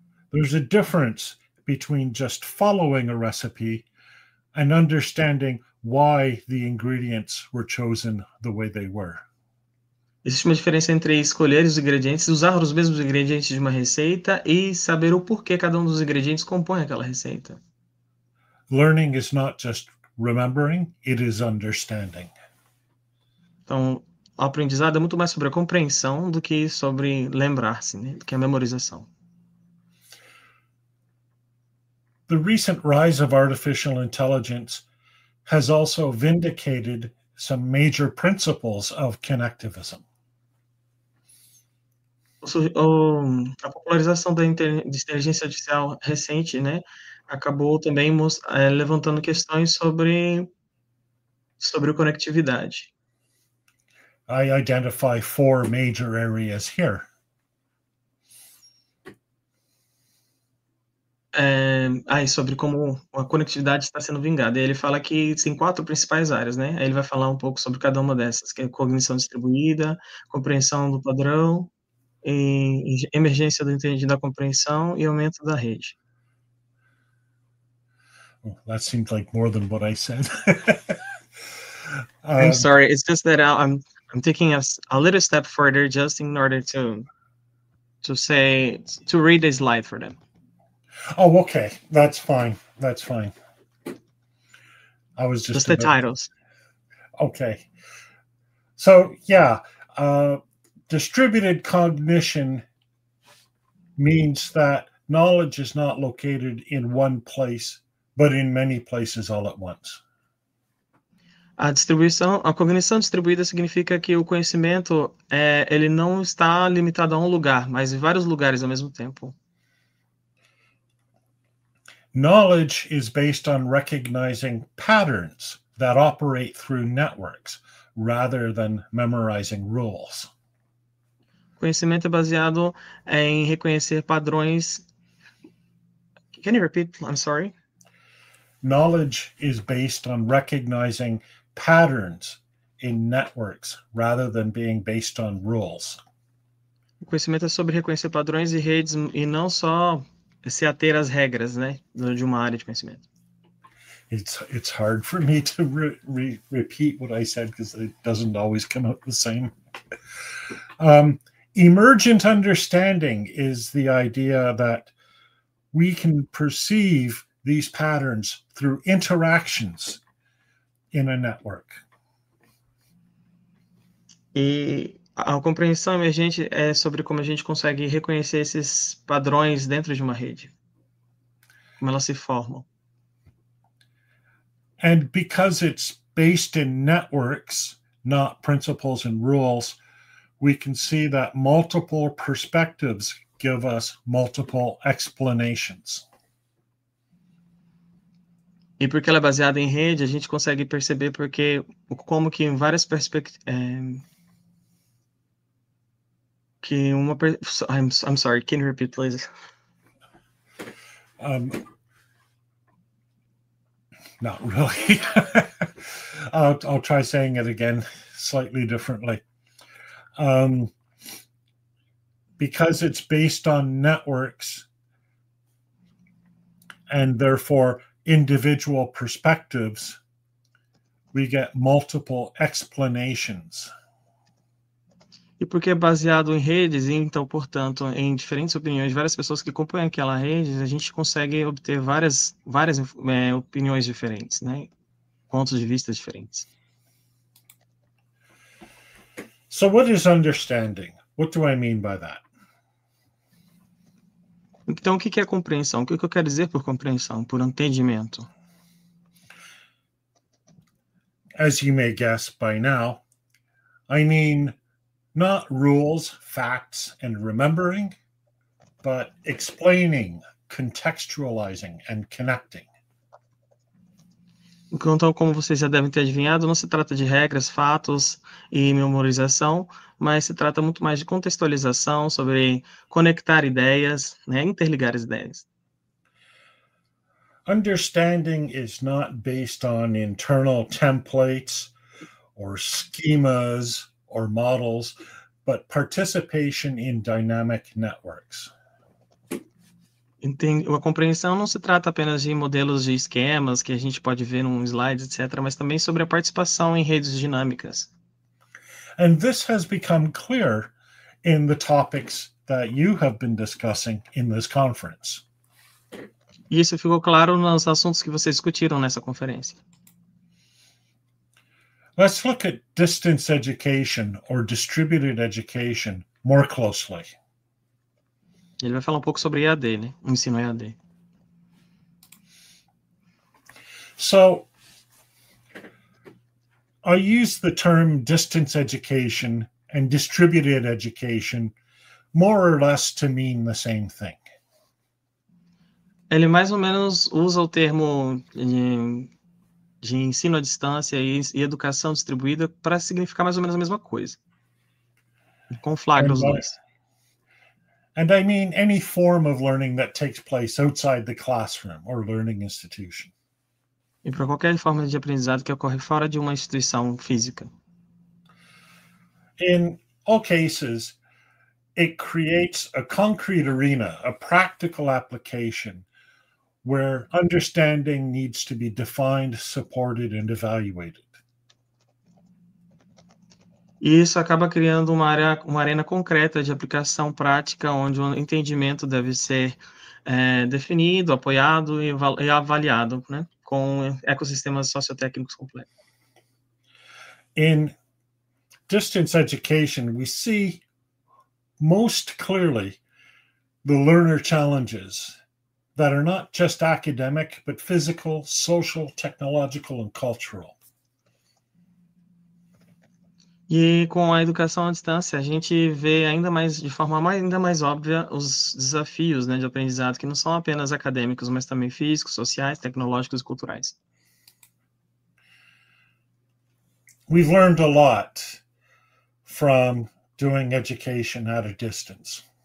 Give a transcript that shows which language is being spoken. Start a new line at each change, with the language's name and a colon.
English: There's a difference between just following a recipe and understanding why the ingredients were chosen the way they were.
Portuguese: Existe uma diferença entre escolher os ingredientes, usar os mesmos ingredientes de uma receita e saber o porquê cada um dos ingredientes compõe aquela receita.
English: Learning is not just remembering, it is understanding.
Portuguese: Então, o aprendizado é muito mais sobre a compreensão do que sobre lembrar-se, né? Do que a memorização.
English: The recent rise of artificial intelligence has also vindicated some major principles of connectivism.
Portuguese: A popularização da inteligência artificial recente, né, acabou também levantando questões sobre conectividade.
English: I identify four major areas here.
Portuguese: aí sobre como a conectividade está sendo vingada. E ele fala que tem quatro principais áreas, né? Aí ele vai falar um pouco sobre cada uma dessas, que é cognição distribuída, compreensão do padrão, e emergência do entendimento da compreensão e aumento da rede.
English: Oh, that seems like more than what I said. I'm sorry, it's just that I'm taking a little step further just in order to say to read the slide for them. Oh, okay. That's fine. That's fine. I was just Just the about titles. okay. So, yeah, distributed cognition means that knowledge is not located in one place, but in many places all at once.
Portuguese: A cognição distribuída significa que o conhecimento ele não está limitado a um lugar, mas em vários lugares ao mesmo tempo.
English: Knowledge is based on recognizing patterns that operate through networks rather than memorizing rules.
Portuguese: Conhecimento é baseado em reconhecer padrões.
English: Can you repeat? I'm sorry. Knowledge is based on recognizing patterns in networks rather than being based on rules.
Portuguese: O conhecimento é sobre reconhecer padrões e redes e não só se ater às regras, né, de uma área de conhecimento.
English: It's hard for me to repeat what I said because it doesn't always come out the same. Emergent understanding is the idea that we can perceive these patterns through interactions in a network.
Portuguese: E a compreensão emergente é sobre como a gente consegue reconhecer esses padrões dentro de uma rede, como elas se formam.
English: And because it's based in networks, not principles and rules, we can see that multiple perspectives give us multiple explanations.
Portuguese: E porque ela é baseada em rede, a gente consegue perceber porque como que em várias perspectivas.
English: I'm sorry, can you repeat, please? Not really. I'll try saying it again slightly differently. Because it's based on networks and therefore individual perspectives, we get multiple explanations.
Portuguese: E porque é baseado em redes, então, portanto, em diferentes opiniões de várias pessoas que compõem aquela rede, a gente consegue obter várias opiniões diferentes, né? Pontos de vista diferentes.
English: So, what is understanding? What do I mean by that?
Portuguese: Então, o que é compreensão? O que eu quero dizer por compreensão, por entendimento?
English: As you may guess by now, I mean not rules, facts, and remembering, but explaining, contextualizing, and connecting.
Portuguese: Então, como vocês já devem ter adivinhado, não se trata de regras, fatos e memorização, mas se trata muito mais de contextualização, sobre conectar ideias, né, interligar as ideias.
English: Understanding is not based on internal templates or schemas or models, but participation in dynamic networks.
Portuguese: Entendi. A compreensão não se trata apenas de modelos de esquemas que a gente pode ver num slide, etc., mas também sobre a participação em redes dinâmicas.
English: And this has become clear in the topics that you have been discussing in this conference.
Portuguese: E isso ficou claro nos assuntos que vocês discutiram nessa conferência.
English: Let's look at distance education or distributed education more closely.
Portuguese: Ele vai falar um pouco sobre EAD, né? O ensino EAD.
English: So, I use the term distance education and distributed education more or less to mean the same thing.
Portuguese: Ele mais ou menos usa o termo de ensino à distância e educação distribuída para significar mais ou menos a mesma coisa. Conflagra os dois.
English: And I mean any form of learning that takes place outside the classroom or learning institution.
Portuguese: E para qualquer forma de aprendizado que ocorre fora de uma instituição física.
English: In all cases, it creates a concrete arena, a practical application, where understanding needs to be defined, supported, and evaluated.
Portuguese: Isso acaba criando uma arena concreta de aplicação prática, onde o entendimento deve ser definido, apoiado e avaliado, né, com ecossistemas sociotécnicos completos.
English: In distance education, we see most clearly the learner challenges that are not just academic, but physical, social, technological, and cultural.
Portuguese: E com a educação à distância, a gente vê ainda mais, de forma ainda mais óbvia, os desafios, né, de aprendizado, que não são apenas acadêmicos, mas também físicos, sociais, tecnológicos e culturais.
English: We've learned a lot from doing education at a distance.